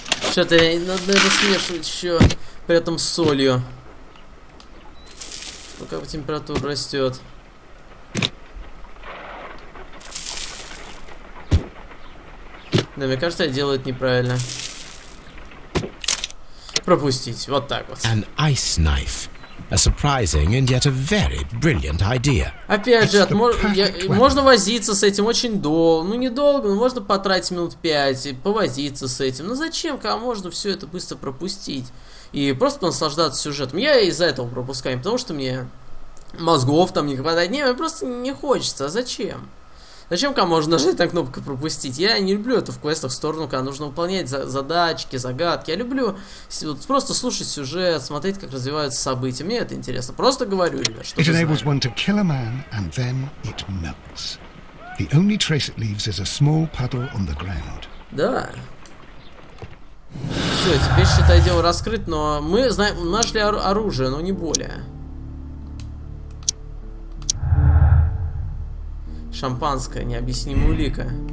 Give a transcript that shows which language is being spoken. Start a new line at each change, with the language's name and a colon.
Russian: Что-то надо смешивать еще при этом с солью. Пока температура растет. Да, мне кажется, я делаю это неправильно. Пропустить, вот так вот.
English: An ice knife. A surprising and yet a very brilliant idea.
Russian: Опять же, можно возиться с этим очень долго. Ну, недолго, но можно потратить минут 5 и повозиться с этим. Ну, зачем, когда можно все это быстро пропустить? И просто наслаждаться сюжетом. Я из-за этого пропускаю, потому что мне... Мозгов там не хватает. Не, просто не хочется. А зачем? Зачем кому нажать на кнопку пропустить? Я не люблю это в квестах в сторону, когда нужно выполнять задачки, загадки. Я люблю вот, просто слушать сюжет, смотреть, как развиваются события. Мне это интересно. Просто говорю, ребят, что ты знаешь.
English: It enables one to kill a man, and then it melts. The only trace it leaves is a small puddle on the ground.
Russian: Да. Все, теперь, считай, дело раскрыто, но мы знаем, нашли оружие, но не более. Шампанское, необъяснимая улика.